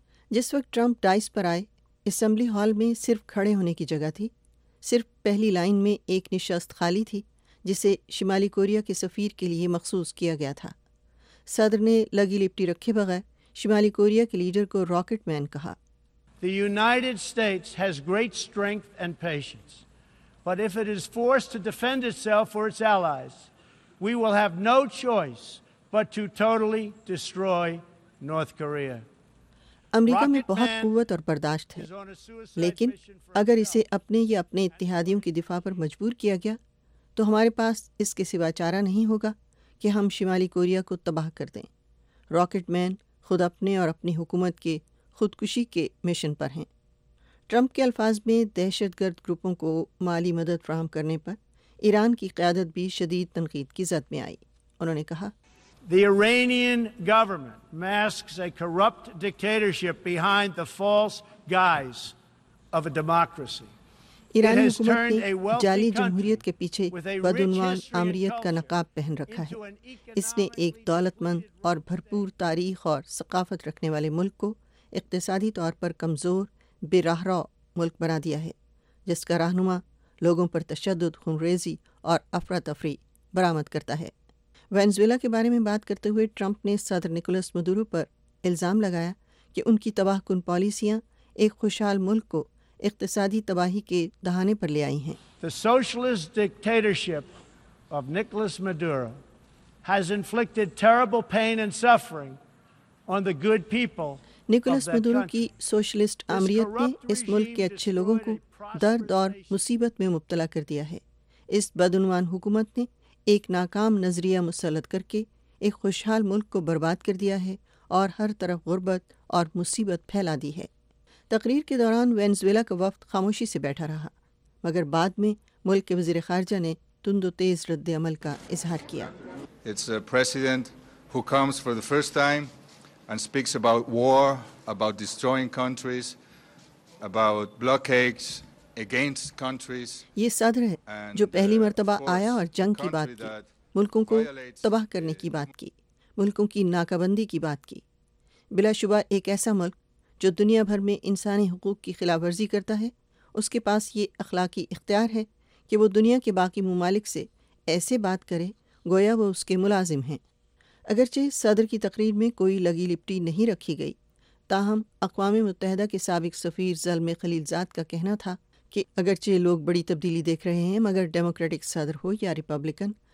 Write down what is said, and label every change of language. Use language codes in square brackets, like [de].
[ur] جس وقت Trump dice پر آئے، اسمبلی ہال میں صرف کھڑے ہونے کی جگہ تھی، صرف پہلی لائن میں ایک نشست خالی تھی جسے شمالی کوریا کے سفیر کے لیے مخصوص کیا گیا تھا۔ صدر نے لگی لپٹی رکھے بغیر شمالی کوریا کے لیڈر کو راکٹ مین کہا۔ [en] The United States has great strength and patience, but if it is forced to defend itself or its allies, we will have no choice but to totally destroy North Korea. [ur] امریکہ میں بہت قوت اور برداشت ہے، لیکن اگر اسے اپنے یا اپنے اتحادیوں کے دفاع پر مجبور کیا گیا تو ہمارے پاس اس کے سوا چارہ نہیں ہوگا کہ ہم شمالی کوریا کو تباہ کر دیں۔ راکٹ مین خود اپنے اور اپنی حکومت کے خودکشی کے مشن پر ہیں۔ ٹرمپ کے الفاظ میں دہشت گرد گروپوں کو مالی مدد فراہم کرنے پر ایران کی قیادت بھی شدید تنقید کی زد میں آئی۔ انہوں نے کہا، [en] The Iranian government masks a corrupt dictatorship behind the false guise of a democracy. [ur] ایرانی حکومت نے جعلی جمہوریت کے پیچھے بدعنوان آمریت کا نقاب پہن رکھا ہے۔ اس نے ایک دولت مند اور بھرپور تاریخ اور ثقافت رکھنے والے ملک کو اقتصادی طور پر کمزور بے راہ رو ملک بنا دیا ہے، جس کا رہنما لوگوں پر تشدد، خونریزی اور افراتفری برآمد کرتا ہے۔ وینزویلا کے بارے میں بات کرتے ہوئے ٹرمپ نے صدر نکولس مدورو پر الزام لگایا کہ ان کی تباہ کن پالیسیاں ایک خوشحال ملک کو اقتصادی تباہی کے دہانے پر لے آئی ہیں۔ [en] The socialist dictatorship of Nicolas Maduro has inflicted terrible pain and suffering on the good people. [ur] Nicolas Maduro کی سوشلسٹ آمریت نے اس ملک کے اچھے لوگوں کو درد اور مصیبت میں مبتلا کر دیا ہے۔ اس بدعنوان حکومت نے ایک ناکام نظریہ مسلط کر کے ایک خوشحال ملک کو برباد کر دیا ہے اور ہر طرف غربت اور مصیبت پھیلا دی ہے۔ تقریر کے دوران وینزویلا کا وفد خاموشی سے بیٹھا رہا، مگر بعد میں ملک کے وزیر خارجہ نے تند و تیز رد عمل کا اظہار کیا۔ [en] It's a president who comes for the first time and speaks about war, about destroying countries, about blockades against countries. [ur] یہ صدر ہے جو پہلی مرتبہ آیا اور جنگ کی بات کی، ملکوں کو تباہ کرنے کی بات کی، ملکوں کی ناکابندی کی بات کی۔ بلا شبہ ایک ایسا ملک جو دنیا بھر میں انسانی حقوق کی خلاف ورزی کرتا ہے، اس کے پاس یہ اخلاقی اختیار ہے کہ وہ دنیا کے باقی ممالک سے ایسے بات کرے گویا وہ اس کے ملازم ہیں۔ اگرچہ صدر کی تقریر میں کوئی لگی لپٹی نہیں رکھی گئی، تاہم اقوام متحدہ کے سابق سفیر زلم خلیل زاد کا کہنا تھا کہ اگرچہ لوگ بڑی تبدیلی دیکھ رہے ہیں، مگر ڈیموکریٹک صدر ہو یا ریپبلکن،